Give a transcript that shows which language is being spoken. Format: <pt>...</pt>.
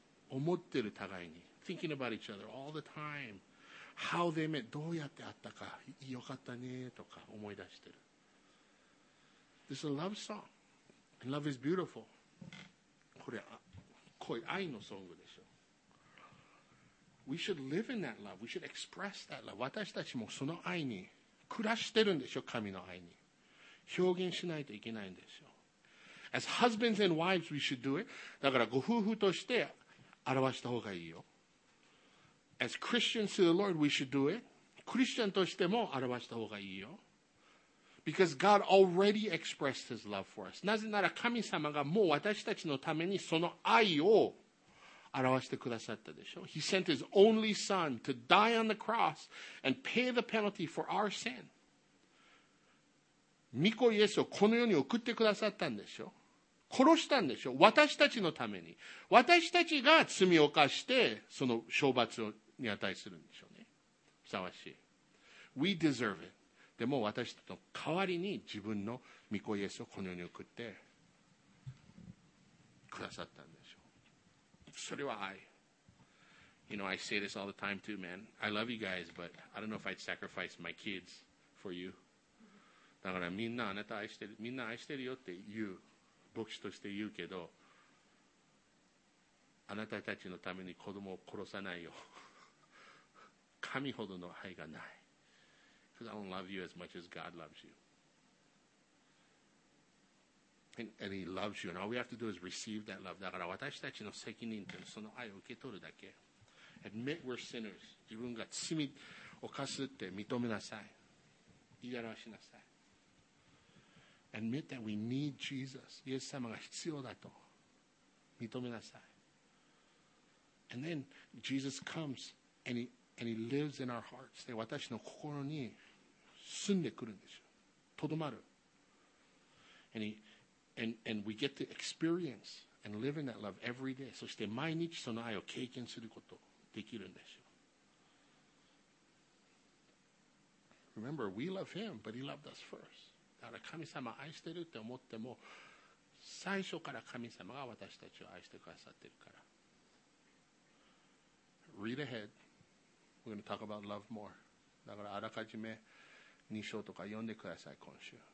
<ja>思ってる互いに。</ja> <en>Thinking about each other all the time. How they met,</en> <ja>どうやって会ったか、よかったねとか思い出してる。</ja> <en>This is a love song. And love is beautiful.</en> <ja>これ、恋、愛のソングでしょ。</ja> <en>We should live in that love. We should express that love.</en> <ja>私たちもその愛に暮らしてるんでしょ、神の愛に。表現しないといけないんですよ。</ja> <en>As husbands and wives, we should do it.</en> <ja>だからご夫婦として表した方がいいよ。</ja> <en>As Christians to the Lord, we should do it.</en> <ja>クリスチャンとしても表した方がいいよ。</ja> <en>Because God already expressed His love for us.</en> <ja>なぜなら神様がもう私たちのためにその愛を表してくださったでしょ。</ja> <en>He sent His only Son to die on the cross and pay the penalty for our sin.</en> <ja>御子イエスをこの世に送ってくださったんでしょ、殺したんでしょ、私たちのために、私たちが罪を犯してその処罰に値するんでしょうね。ふさわしい。</ja> <en>We deserve it.</en> <ja>でも私たちの代わりに自分の御子イエスをこの世に送ってくださったんでしょう。それは愛。</ja> <en>You know, I say this all the time too, man. I love you guys, but I don't know if I'd sacrifice my kids for you.</en> <ja>だからみんなあなた愛してる、みんな愛してるよって言う、牧師として言うけど、あなたたちのために子供を殺さないよ。神ほどの愛がない。</ja> <en>Because I don't love you as much as God loves you. And He loves you. And all we have to do is receive that love.</en> <ja>だから私たちの責任というのはその愛を受け取るだけ。</ja> <en>Admit we're sinners.</en> <ja>自分が罪を犯すって認めなさい。言い表しなさい。</ja> <en>Admit that we need Jesus.</en> <ja>イエス様が必要だと認めなさい。</ja> <en>And then Jesus comes and he lives in our hearts.</en> <ja>で、私の心に住んでくるんですよ。とどまる。</ja> <en>And we get to experience and live in that love every day.</en> <ja>そして毎日その愛を経験することできるんですよ。</ja> <en>Remember, we love him, but he loved us first.</en> <ja>だから神様愛してるって思っても、最初から神様が私たちを愛してくださってるから。</ja> <en>Read ahead. We're going to talk about love more.</en> <ja>だからあらかじめ2章とか読んでください、今週。</ja>